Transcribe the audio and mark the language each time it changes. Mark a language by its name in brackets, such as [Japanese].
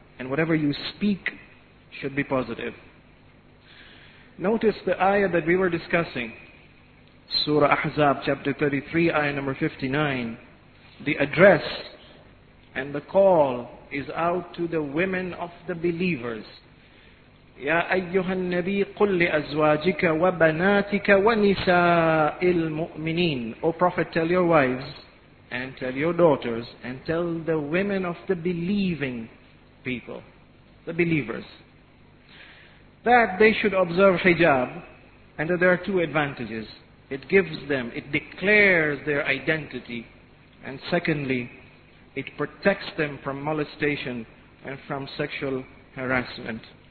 [English] And whatever you speak should be positive. Notice the ayah that we were discussing, Surah Ahzab, chapter 33, ayah number 59. The address and the call is out to the women of the believers. [Arabic] يا أيها النبي قل لأزواجك وبناتك ونساء المؤمنين. [English] O Prophet, tell your wives and tell your daughters and tell the women of the believing people, the believers, that they should observe hijab, and that there are two advantages. It gives them, it declares their identity, and secondly, it protects them from molestation and from sexual harassment.